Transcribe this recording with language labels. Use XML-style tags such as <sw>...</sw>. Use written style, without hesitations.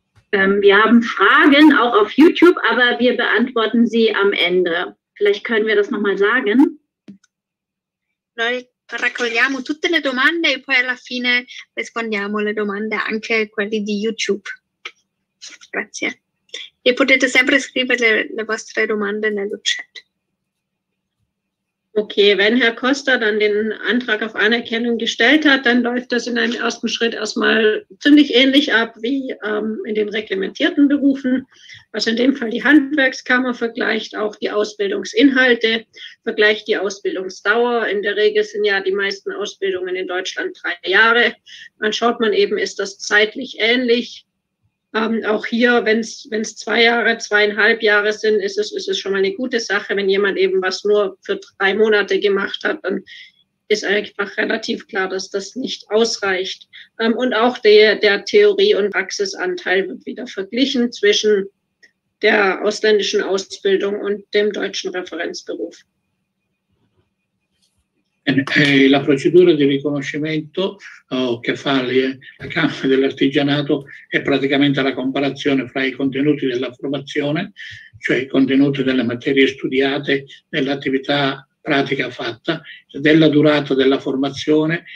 <de>Wir haben Fragen auch auf YouTube, aber wir beantworten sie am Ende. Vielleicht können wir das nochmal sagen. Leute.</de> <it>Raccogliamo tutte le domande e poi alla fine rispondiamo le domande anche quelle di YouTube. Grazie. E potete sempre scrivere le vostre domande nello chat.</it> <de>Okay, wenn Herr Costa dann den Antrag auf Anerkennung gestellt hat, dann läuft das in einem ersten Schritt erstmal ziemlich ähnlich ab wie in den reglementierten Berufen. Also in dem Fall die Handwerkskammer vergleicht auch die Ausbildungsinhalte, vergleicht die Ausbildungsdauer. In der Regel sind ja die meisten Ausbildungen in Deutschland 3 Jahre. Dann schaut man eben, ist das zeitlich ähnlich? Auch hier, wenn es 2 Jahre, 2,5 Jahre sind, ist es schon mal eine gute Sache. Wenn jemand eben was nur für 3 Monate gemacht hat, dann ist einfach relativ klar, dass das nicht ausreicht. Und auch der Theorie- und Praxisanteil wird wieder verglichen zwischen der ausländischen Ausbildung und dem deutschen Referenzberuf.</de> <it>La procedura di riconoscimento che fa la Camera dell'Artigianato è praticamente la comparazione fra i contenuti della formazione, cioè i contenuti delle materie studiate nell'attività pratica fatta, della durata della formazione.</it>